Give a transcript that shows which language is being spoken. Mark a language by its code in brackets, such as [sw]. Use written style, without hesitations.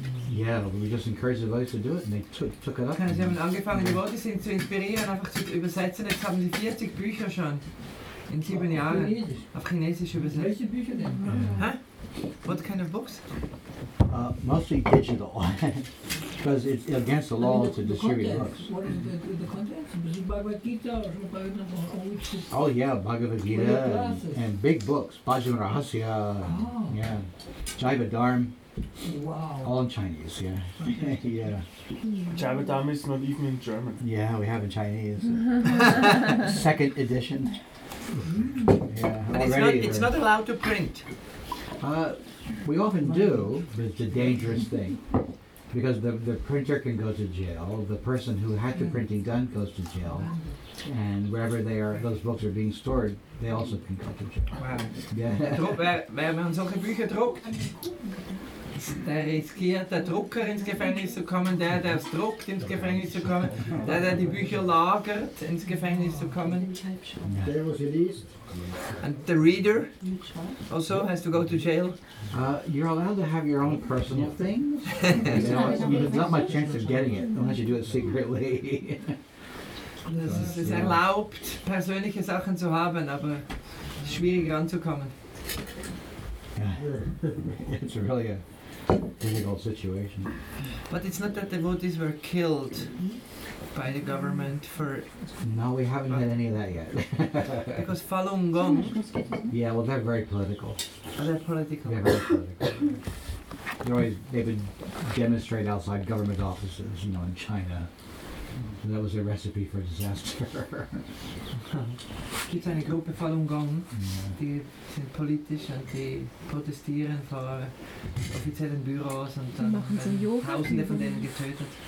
[en] Yeah, we just encouraged the boys to do it, and they took it up. [de] Sie haben angefangen, die Worte zu inspirieren, einfach zu übersetzen. Jetzt haben sie 40 Bücher schon in 7 Jahren auf Chinesisch übersetzt. Welche Bücher denn? [en] What kind of books? Mostly digital, because it's against the law to distribute content, books. What is the content? Is it Bhagavad Gita or Bhagavad Gita? Oh yeah, Bhagavad Gita and big books, Bhajan Rahasya, yeah, Jiva Dharm. Wow. All in Chinese, yeah. Yeah. Jiva Dharm is not even in German. Yeah, we have in Chinese. Second edition. Yeah, already, it's not allowed to print. We often do, but it's a dangerous thing. Because the printer can go to jail, the person who had the printing gun goes to jail, and wherever they are, those books are being stored, they also can go to jail. Wow. Yeah. [de] Der riskiert, der Drucker ins Gefängnis zu kommen, der es druckt, ins Gefängnis zu kommen, der die Bücher lagert, ins Gefängnis zu kommen. Der, was ihr liest. [en] And the reader also has to go to jail. You're allowed to have your own personal things. There's not much chance of getting it, unless you do it secretly. [de] Es ist erlaubt, persönliche Sachen zu haben, aber schwierig ranzukommen. [en] It's really a difficult situation. But it's not that the devotees were killed by the government for... No, we haven't had any of that yet. Because Falun Gong... Yeah, well, they're very political. Oh, they're political? They're very political. They would demonstrate outside government offices, you know, in China. So that was a recipe for disaster. [de] Gibt's eine Gruppe Falun Gong, die sind politisch und die protestieren vor offiziellen Büros und dann werden Tausende von denen getötet.